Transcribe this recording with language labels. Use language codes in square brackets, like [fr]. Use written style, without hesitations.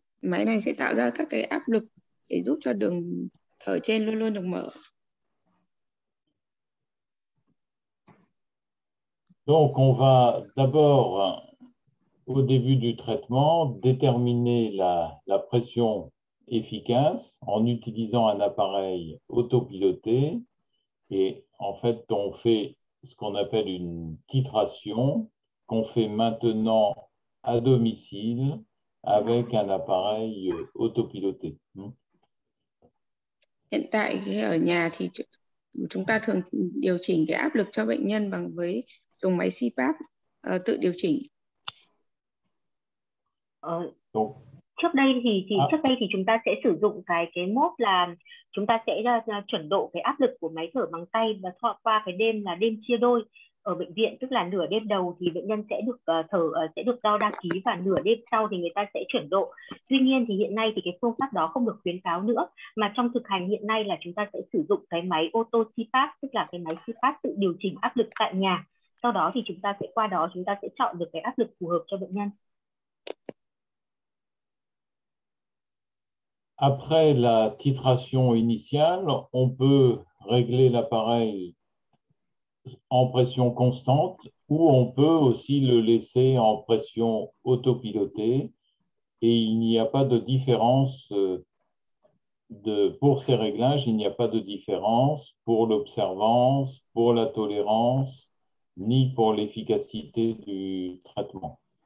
[vi] Máy này sẽ tạo ra các cái áp lực để giúp cho đường thở trên luôn luôn được mở. [fr] Donc on va d'abord au début du traitement, déterminer la pression efficace en utilisant un appareil autopiloté. Et en fait, on fait ce qu'on appelle une titration qu'on fait maintenant à domicile avec un appareil autopiloté. [vi] Hiện tại ở nhà thì chúng ta thường điều chỉnh cái áp lực cho bệnh nhân bằng với dùng máy CPAP tự điều chỉnh. Trước đây thì chúng ta sẽ sử dụng cái mốt là chúng ta sẽ chuẩn độ cái áp lực của máy thở bằng tay và thoa qua cái đêm là đêm chia đôi ở bệnh viện, tức là nửa đêm đầu thì bệnh nhân sẽ được thở sẽ được đo đa ký và nửa đêm sau thì người ta sẽ chuyển độ. Tuy nhiên thì hiện nay thì cái phương pháp đó không được khuyến cáo nữa, mà trong thực hành hiện nay là chúng ta sẽ sử dụng cái máy ô tô CPAP, tức là cái máy CPAP tự điều chỉnh áp lực tại nhà. Sau đó thì chúng ta sẽ qua đó chúng ta sẽ chọn được cái áp lực phù hợp cho bệnh nhân. [fr] Après la titration initiale, on peut régler l'appareil en pression constante ou on peut aussi le laisser en pression autopilotée et il n'y a pas de différence pour ces réglages, il n'y a pas de différence pour l'observance, pour la tolérance ni pour l'efficacité du traitement.